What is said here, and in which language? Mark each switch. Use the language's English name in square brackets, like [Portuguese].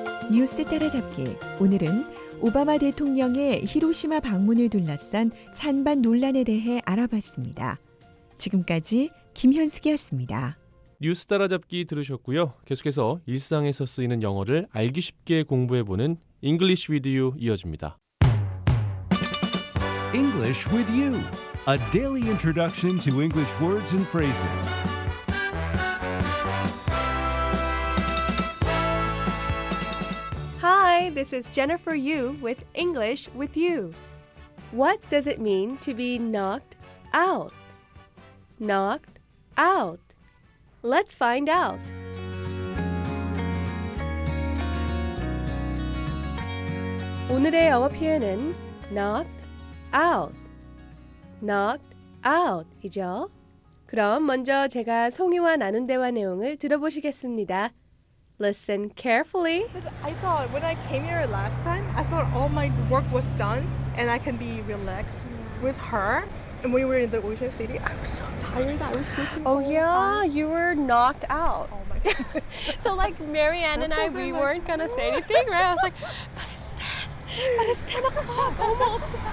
[Korean] 뉴스 따라잡기, 오늘은 오바마 대통령의 히로시마 방문을 둘러싼 찬반 논란에 대해 알아봤습니다. 지금까지 김현숙이었습니다. 뉴스 따라잡기 들으셨고요. 계속해서 일상에서 쓰이는 영어를 알기 쉽게 공부해보는 English with you 이어집니다. [English] English with you, a daily introduction to English words and phrases. This is Jennifer Yu with English with you. What does it mean to be knocked out? Knocked out. Let's find out. [Korean] 오늘의 영어 표현은 knocked out. Knocked out이죠. 그럼 먼저 제가 송이와 나눈 대화 내용을 들어보시겠습니다. [English] Listen carefully. I thought when I came here last time, I thought all my work was done and I can be relaxed with her. And when we were in the Ocean City, I was so tired. I was sleeping. Oh yeah, all the time. You were knocked out. Oh my god. So like Marianne and I, we weren't gonna say anything, right? I was like, but it's 10 o'clock almost.